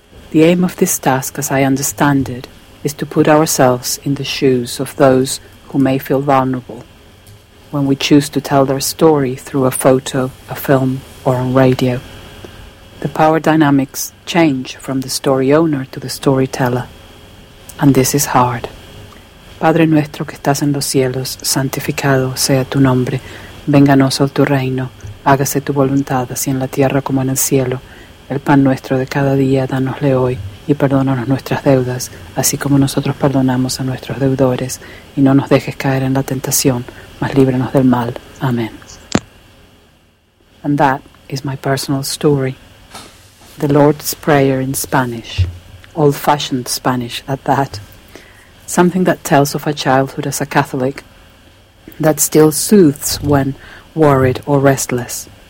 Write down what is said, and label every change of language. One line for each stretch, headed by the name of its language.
English: The aim of this task, as I understand it, is to put ourselves in the shoes of those who may feel vulnerable when we choose to tell their story through a photo, a film, or on radio. The power dynamics change from the story owner to the storyteller, and this is hard.
Spanish: Padre nuestro que estás en los cielos, santificado sea tu nombre, venga a nosotros tu reino, hágase tu voluntad, así en la tierra como en el cielo. El pan nuestro de cada día, dánosle hoy, y perdónanos nuestras deudas, así como nosotros perdonamos a nuestros deudores, y no nos dejes caer en la tentación, mas líbranos del mal. Amén.
English: And that is my personal story. The Lord's Prayer in Spanish, old-fashioned Spanish at that. Something that tells of a childhood as a Catholic that still soothes when worried or restless.